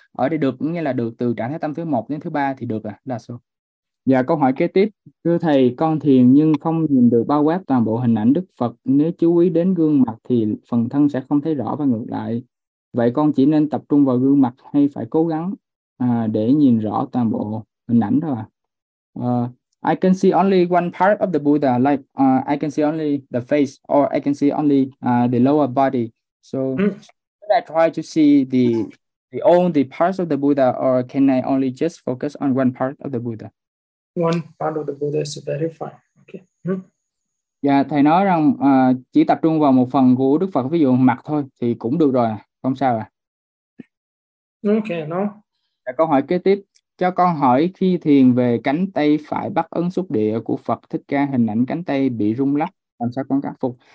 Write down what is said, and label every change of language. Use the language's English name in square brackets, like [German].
[Vietnamese] Ở đây được nghĩa là được từ trạng thái tâm thứ một đến thứ ba thì được ạ, đa số. Dạ, câu hỏi kế tiếp. Thưa thầy, con thiền nhưng không nhìn được bao quát toàn bộ hình ảnh Đức Phật. Nếu chú ý đến gương mặt thì phần thân sẽ không thấy rõ và ngược lại. Vậy con chỉ nên tập trung vào gương mặt hay phải cố gắng để nhìn rõ toàn bộ hình ảnh thôi ạ? [English] I can see only one part of the Buddha, like I can see only the face, or I can see only the lower body. So, should I try to see all the parts of the Buddha, or can I only just focus on one part of the Buddha? One part of the Buddha is very fine. Okay. [Vietnamese] Dạ, thầy nói rằng chỉ tập trung vào một phần của Đức Phật, ví dụ mặt thôi, thì cũng được rồi, không sao à? [English] Okay, no. [Vietnamese] Dạ, câu hỏi kế tiếp. Cho con hỏi khi thiền về cánh tay phải bắt ấn xúc địa của Phật Thích Ca, hình ảnh cánh tay bị rung lắc, làm sao con khắc phục?